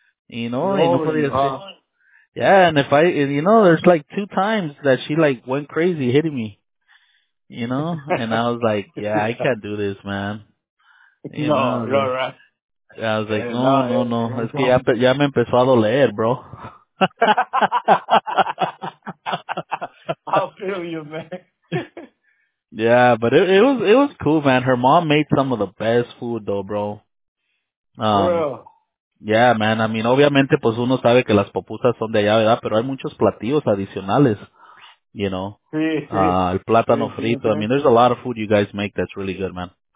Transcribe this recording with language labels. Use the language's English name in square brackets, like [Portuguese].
[English] Yeah, and if I, you know, there's like 2 times that she like went crazy hitting me. You know? And I was like, yeah, I can't do this, man. You know, right. I was like, no. [Spanish] Es que ya me empezó a doler, bro. [English] I feel you, man. Yeah, but it was cool, man. Her mom made some of the best food, though, bro. Yeah, man. I mean, [Spanish] obviamente, pues uno sabe que las pupusas son de allá, ¿verdad? Pero hay muchos platillos adicionales, [English] you know. [Spanish] Sí. El plátano frito. [English] I mean, there's a lot of food you guys make that's really good, man.